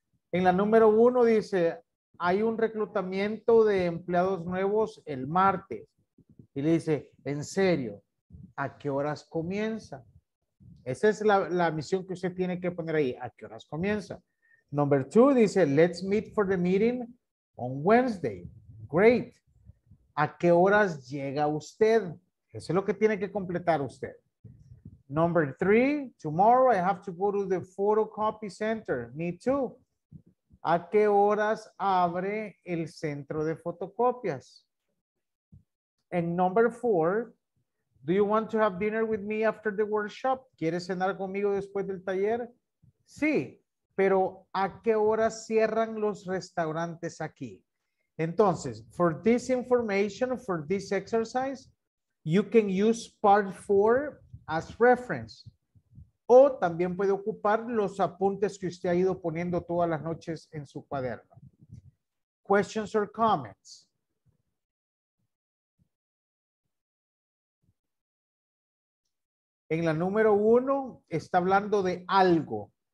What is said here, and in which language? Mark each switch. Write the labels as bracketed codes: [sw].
[es] En la número uno dice, hay un reclutamiento de empleados nuevos el martes. Y le dice, ¿en serio? ¿A qué horas comienza? Esa es la misión que usted tiene que poner ahí. ¿A qué horas comienza? [en] Number two dice, let's meet for the meeting on Wednesday. [es] Great. ¿A qué horas llega usted? Eso es lo que tiene que completar usted. [en] Number three, tomorrow I have to go to the photocopy center. Me too. [es] ¿A qué horas abre el centro de fotocopias? [en] And number four, do you want to have dinner with me after the workshop? [es] ¿Quieres cenar conmigo después del taller? Sí, pero ¿a qué horas cierran los restaurantes aquí? [en] Entonces, for this information, for this exercise, you can use part four as reference. [es] O también puede ocupar los apuntes que usted ha ido poniendo todas las noches en su cuaderno. [en] Questions or comments? [es] En la número uno, está hablando de algo.